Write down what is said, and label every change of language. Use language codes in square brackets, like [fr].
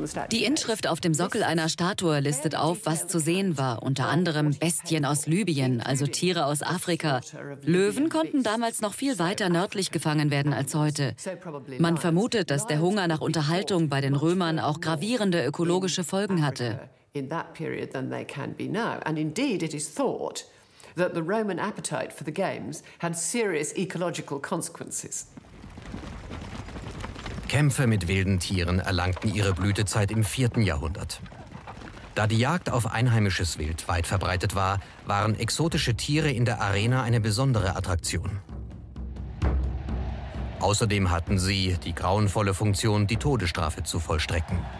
[de] Die Inschrift auf dem Sockel einer Statue listet auf, was zu sehen war. Unter anderem Bestien aus Libyen, also Tiere aus Afrika. Löwen konnten damals noch viel weiter nördlich gefangen werden als heute. Man vermutet, dass der Hunger nach Unterhaltung bei den Römern auch gravierende ökologische Folgen hatte. [en] In that period than they can be now. And indeed, it is thought that the Roman appetite for the games had serious ecological consequences. [de] Kämpfe mit wilden Tieren erlangten ihre Blütezeit im 4. Jahrhundert. Da die Jagd auf einheimisches Wild weit verbreitet war, waren exotische Tiere in der Arena eine besondere Attraktion. Außerdem hatten sie die grauenvolle Funktion, die Todesstrafe zu vollstrecken.